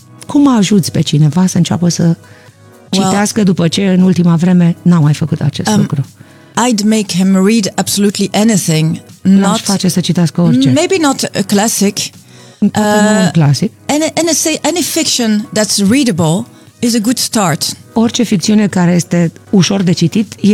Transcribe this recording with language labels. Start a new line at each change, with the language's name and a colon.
Romanian: Cum ajuți pe cineva să înceapă să citească după ce în ultima vreme n-a mai făcut acest lucru?
English: I'd make him read absolutely anything.
Romanian: Not face să citească orice.
English: Maybe not a classic. Classic. Any fiction that's readable is a good start.
Romanian: Orice ficțiune care este ușor de citit e